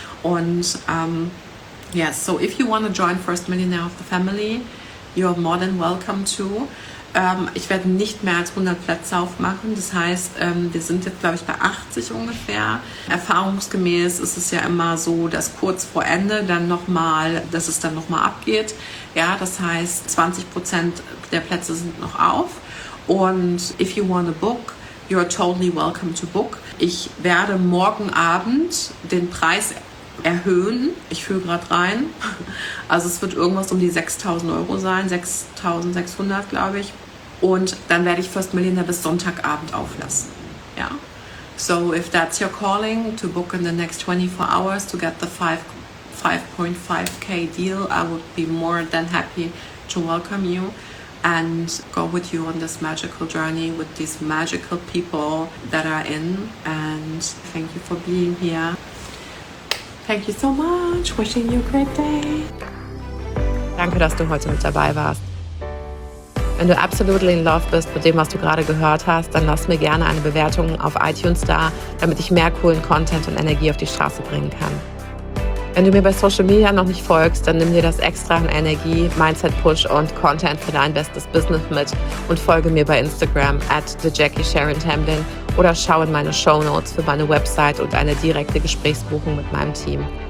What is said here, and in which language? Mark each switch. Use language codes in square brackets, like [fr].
[de] Und [en] yes, so if you want to join First Millionaire of the Family, you're more than welcome to. [de] Ich werde nicht mehr als 100 Plätze aufmachen. Das heißt, wir sind jetzt, glaube ich, bei 80 ungefähr. Erfahrungsgemäß ist es ja immer so, dass kurz vor Ende dann nochmal, dass es dann nochmal abgeht. Ja, das heißt, 20% der Plätze sind noch auf. Und [en] if you want a book, you're totally welcome to book. [de] Ich werde morgen Abend den Preis erhöhen. Ich fühle gerade rein. Also es wird irgendwas um die 6.000 Euro sein. 6.600, glaube ich. Und dann werde ich First Millionaire bis Sonntagabend auflassen. Ja. [en] So if that's your calling, to book in the next 24 hours to get the 5.5k deal, I would be more than happy to welcome you and go with you on this magical journey with these magical people that are in. And thank you for being here. Thank you so much. Wishing you a great day. [de] Danke, dass du heute mit dabei warst. Wenn du absolut [en] in love [de] bist mit dem, was du gerade gehört hast, dann lass mir gerne eine Bewertung auf iTunes da, damit ich mehr coolen Content und Energie auf die Straße bringen kann. Wenn du mir bei Social Media noch nicht folgst, dann nimm dir das extra an Energie, Mindset-Push und Content für dein bestes Business mit und folge mir bei Instagram @thejackiesharontemblin oder schau in meine Shownotes für meine Website und eine direkte Gesprächsbuchung mit meinem Team.